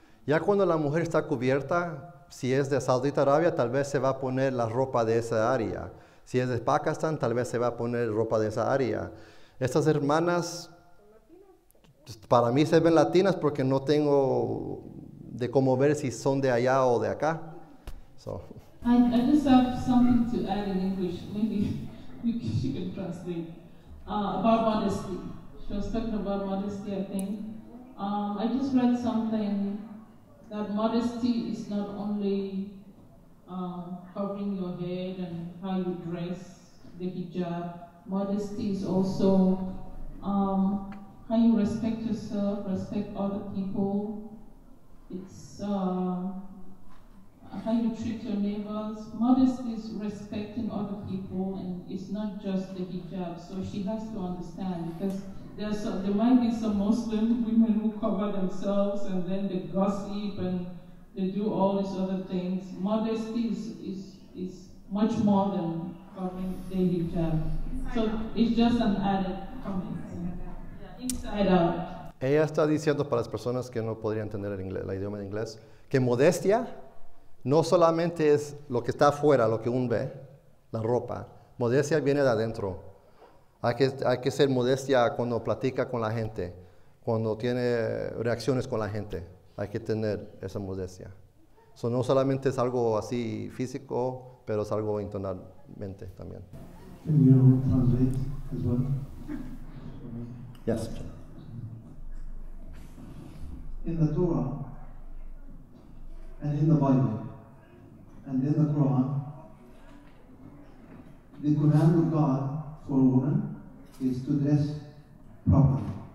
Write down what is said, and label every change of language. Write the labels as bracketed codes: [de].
[es] Ya cuando la mujer está cubierta, si es de Saudita Arabia, tal vez se va a poner la ropa de esa área. Si es de Pakistán, tal vez se va a poner ropa de esa área. Estas hermanas, para mí se ven latinas porque no tengo de cómo ver si son de allá o de acá. [en] So. I just have something to add in English. Maybe you can translate. About modesty. She was talking about modesty, I think. I just read something that modesty is not only covering your head and how you dress, the hijab. Modesty is also how you respect yourself, respect other people. It's how you treat your neighbors. Modesty is respecting other people, and it's not just the hijab. So she has to understand, because there might be some Muslim women who cover themselves and then they gossip and they do all these other things. Modesty is much more than covering the hijab. So it's just an added comment. Inside out. [es] Ella está diciendo para las personas que no podrían entender el idioma de inglés que modestia no solamente es lo que está afuera, lo que uno ve, la ropa. Modestia viene de adentro. Hay que ser modestia cuando platica con la gente, cuando tiene reacciones con la gente. Hay que tener esa modestia. So, no solamente es algo así físico, pero es algo internamente también. [en] Can you translate as well? Yes. In the Torah, and in the Bible, and in the Quran, the command of God for a woman is to dress properly.